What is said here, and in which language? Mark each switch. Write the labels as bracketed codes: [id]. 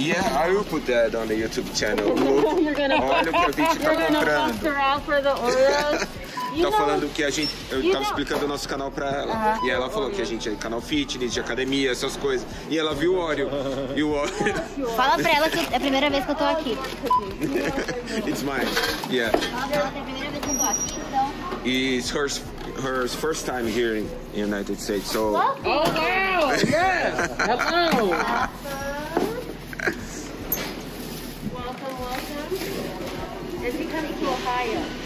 [en] Yeah, I will put that on the YouTube channel. Look, you're gonna, [pt] olha o que a gente tá comprando. [en] You're gonna fuck around for the Oreos. [pt] Tá falando que a gente... Eu tava explicando o nosso canal pra ela. E ela falou que a gente é canal fitness, de academia, essas coisas. E ela viu o Oreo. E o Oreo... Fala pra ela que é a primeira vez que eu tô aqui. [en] It's mine. Yeah. [pt] Fala pra ela que é a primeira vez que eu tô aqui, então. [en] Her first time here in the United States, so... Oh, girl! Yes! Hello! Welcome. Is he coming to Ohio?